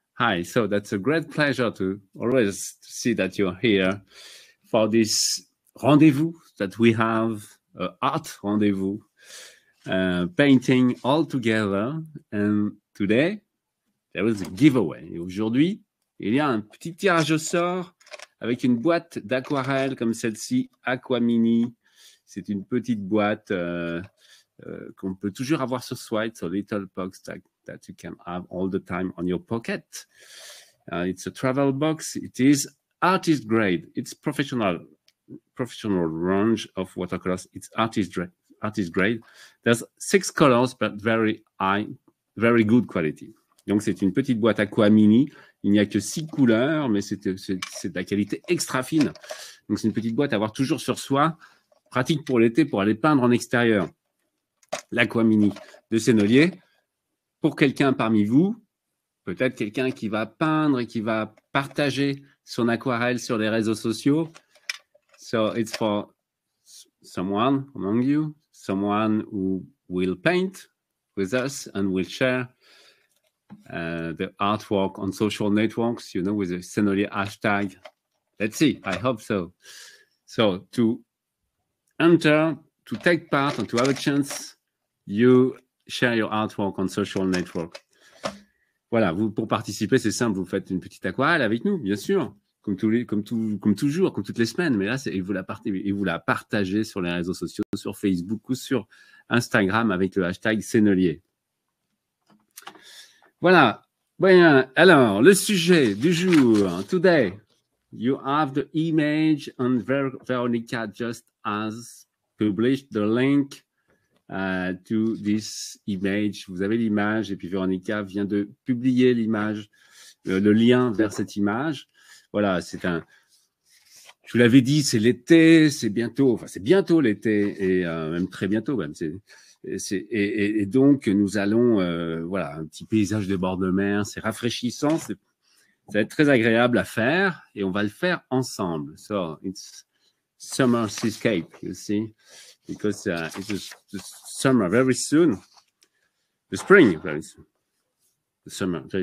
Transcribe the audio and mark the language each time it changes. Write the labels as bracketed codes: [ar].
[en] Hi, so that's a great pleasure to always see that you're here for this rendezvous that we have, art rendezvous, painting all together. And today, there was a giveaway. [fr] Et aujourd'hui, il y a un petit tirage au sort avec une boîte d'aquarelle comme celle-ci, Aquamini. C'est une petite boîte qu'on peut toujours avoir sur soi. [en] It's a little box that you can have all the time on your pocket. It's a travel box. It is artist grade. It's professional range of watercolors. It's artist grade. There's 6 colors, but very high, very good quality. [fr] Donc, c'est une petite boîte Aquamini. Il n'y a que 6 couleurs, mais c'est de la qualité extra fine. Donc, c'est une petite boîte à avoir toujours sur soi. Pratique pour l'été, pour aller peindre en extérieur. L'Aquamini de Sennelier. Pour quelqu'un parmi vous, peut-être quelqu'un qui va peindre et qui va partager son aquarelle sur les réseaux sociaux. [en] So it's for someone among you, someone who will paint with us and will share the artwork on social networks, you know, with the Sennelier hashtag. Let's see, I hope so. So to enter, to take part and to have a chance, you share your artwork on social network. [fr] Voilà, vous, pour participer, c'est simple, vous faites une petite aquarelle avec nous, bien sûr, comme toutes les semaines, mais là, c'est, et vous la partagez sur les réseaux sociaux, sur Facebook ou sur Instagram avec le hashtag Sennelier. Voilà, bien, alors, le sujet du jour, [en] today, you have the image and Veronica just has published the link to this image. [fr] Vous avez l'image et puis Véronica vient de publier l'image, le lien vers cette image. Voilà, c'est un... Je vous l'avais dit, c'est l'été, c'est bientôt l'été et même très bientôt même. Et donc, nous allons... voilà, un petit paysage de bord de mer, c'est rafraîchissant, ça va être très agréable à faire et on va le faire ensemble. [en] So, it's summer seascape, you see. Because it is the summer very soon, the spring very soon, the summer.